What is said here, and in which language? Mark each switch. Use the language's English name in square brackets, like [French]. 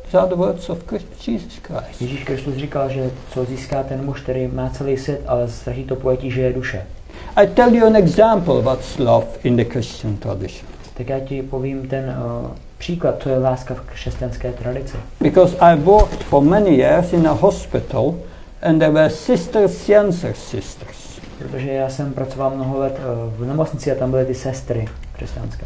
[English] These are the words of Jesus Christ. [Czech] Ježíš Kristus říkal, že co získá ten muž, který má celý svět, ale ztratí to pojetí, že je duše. [English] I tell you an example what's love in the Christian tradition. [Czech] Tak já ti povím ten příklad, co je láska v křesťanské tradici. [English] Because I worked for many years in a hospital and there were sisters. [Czech] Protože já jsem pracoval mnoho let v nemocnici a tam byly ty sestry křesťanské.